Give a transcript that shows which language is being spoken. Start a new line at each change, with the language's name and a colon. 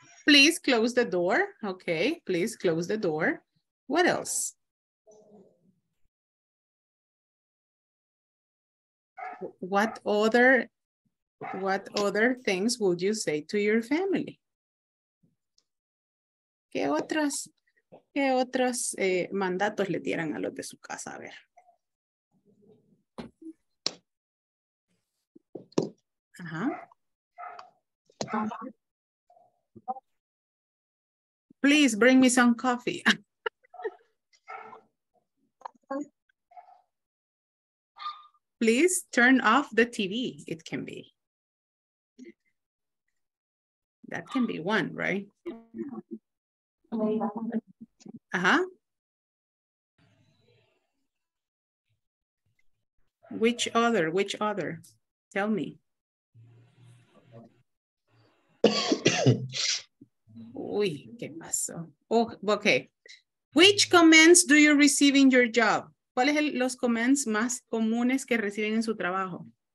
English: Please close the door. Okay, please close the door. What else? What other things would you say to your family?
Spanish: ¿Qué otros mandatos le dieran a los de su casa? A ver.
English: Please bring me some coffee. Please turn off the TV, it can be. That can be one, right? Which other? Tell me.
Spanish: Uy, qué pasó. Oh, okay.
English: Which comments do you receive in your job?
Spanish: ¿Cuáles son los comments más comunes que reciben en su trabajo?